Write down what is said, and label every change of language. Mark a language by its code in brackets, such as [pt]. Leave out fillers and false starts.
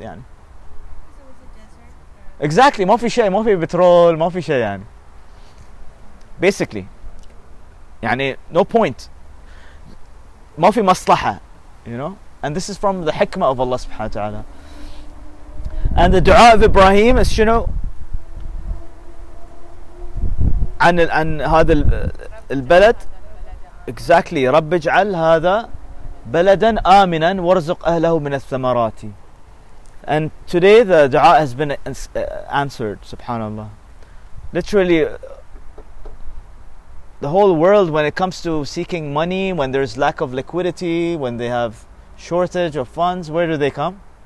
[en] Yeah. Because it was a desert. [ar] Exactly. Mafi shay, mafi petrol, mafi shay. Basically. [en] Yani, no point. [ar] Mafi maslaha, [en] you know? And this is from the hikmah of Allah subhanahu wa ta'ala. And the dua of Ibrahim is, you know, and [ar] هذا البلد, exactly, رب اجعل هذا بلدا آمنا وارزق أهله من الثمرات. [en] And today the dua has been answered, subhanallah. Literally, the whole world, when it comes to seeking money, when there's lack of liquidity, when they have shortage of funds, where do they come?